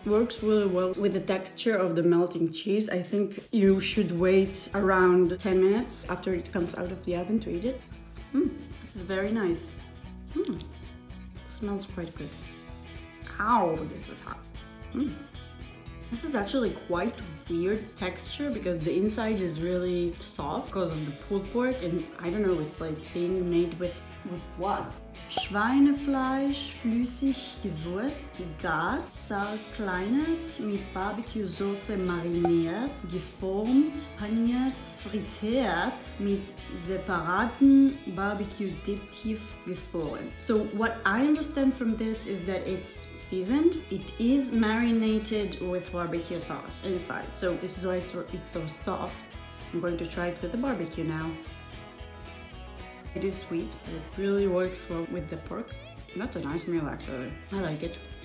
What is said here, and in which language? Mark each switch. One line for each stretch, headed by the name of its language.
English: Works really well with the texture of the melting cheese. I think you should wait around 10 minutes after it comes out of the oven to eat it. This is very nice. Smells quite good. Ow, this is hot. This is actually quite weird texture because the inside is really soft because of the pulled pork and I don't know, it's like being made with what?
German: Schweinefleisch flüssig gewürzt, gegart, zerkleinert, mit Barbecue-Sauce mariniert, geformt, paniert, frittiert, mit separaten Barbecue-Dip-Tief gefroren.
English: So what I understand from this is that it's seasoned. It is marinated with barbecue sauce inside. So this is why it's so soft. I'm going to try it with the barbecue now. It is sweet, but it really works well with the pork. That's a nice meal actually. I like it.